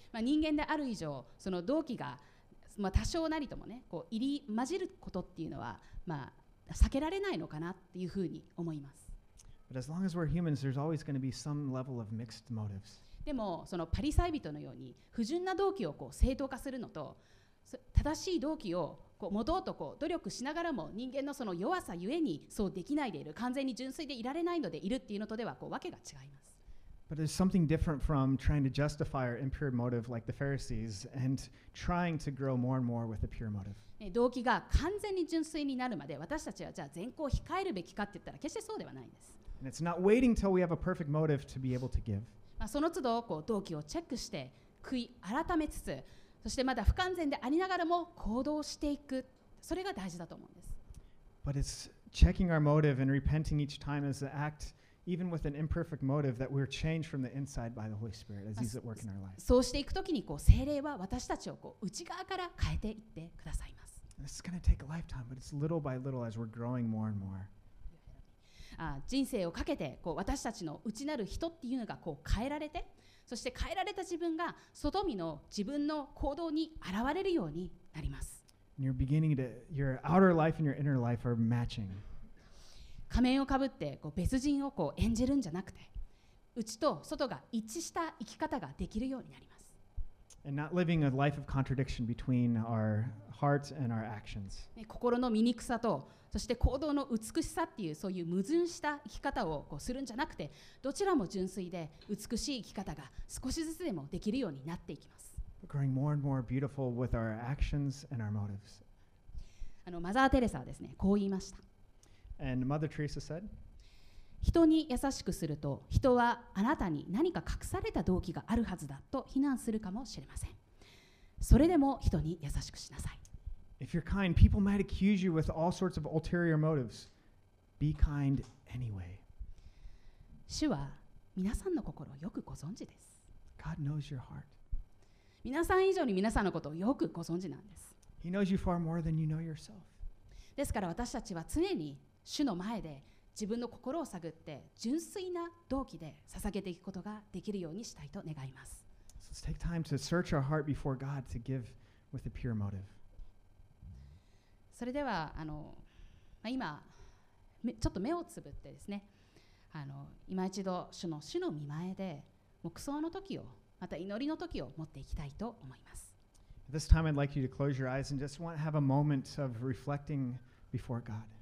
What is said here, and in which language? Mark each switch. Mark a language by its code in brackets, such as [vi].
[ja] まあ人間である以上、その動機が、まあ、多少なりともね、こう入り混じることっていうのは、まあ、避けられないのかなっていうふうに思います。 [en] But as long as we're humans, there's always going to be some level of mixed motives. [ja] でも、そのパリサイ人のように、不純な動機をこう正当化するのと、正しい動機をこう持とうとこう努力しながらも人間のその弱さゆえにそうできないでいる完全に純粋でいられないのでいるっていうのとではこうわけが違います。 [en] But there's something different from trying to justify our impure motive like the Pharisees and trying to grow more and more with a pure motive. [ja] 動機が完全に純粋になるまで私たちはじゃあ善行を控えるべきかって言ったら決してそうではないんです。 [en] And it's not waiting till we have a perfect motive to be able to give. [ja] まあその都度こう動機をチェックして悔い改めつつ。そしてまだ不完全でありながらも行動していく、それが大事だと思うんです。 [en] But it's checking our motive and repenting each time as an act, even with an imperfect motive, that we're changed from the inside by the Holy Spirit as He's at work in our life. [ja] そうしていくときにこう聖霊は私たちをこう内側から変えていってくださいます。 [en] This is going to take a lifetime, but it's little by little as we're growing more and more. [ja] 人生をかけてこう私たちの内なる人っていうのがこう変えられて。そして変えられた自分が外見の自分の行動に現れるようになります。 [en] Your outer life and your inner life are matching. [ja] 仮面をかぶってこう別人をこう演じるんじゃなくて、内と外が一致した生き方ができるようになります。 [en] And not living a life of contradiction between our hearts and our actions. [ja] 心の醜さと、そして行動の美しさっていう、そういう矛盾した生き方をこうするんじゃなくて、どちらも純粋で美しい生き方が少しずつでもできるようになっていきます。 [en] Growing more and more beautiful with our actions and our motives. [ja] マザー・テレサはですね、こう言いました。 [en] And Mother Teresa said, [ja] 人に優しくすると、人はあなたに何か隠された動機があるはずだと非難するかもしれません。それでも人に優しくしなさい。 [en] If you're kind, people might accuse you with all sorts of ulterior motives. Be kind anyway. [ja] 主は皆さんの心をよくご存知です。 [en] God knows your heart. [ja] 皆さん以上に皆さんのことをよくご存知なんです。 [en] He knows you far more than you know yourself. [ja] ですから私たちは常に主の前で自分の心を探って純粋な動機で捧げていくことができるようにしたいと願います。 [en] So let's take time to search our heart before God to give with a pure motive. [ja] それでは今ちょっと目をつぶってですね、今一度主の御前で黙想の時をまた祈りの時を持っていきたいと思います。 [en] At this time, I'd like you to close your eyes and just want to have a moment of reflecting before God.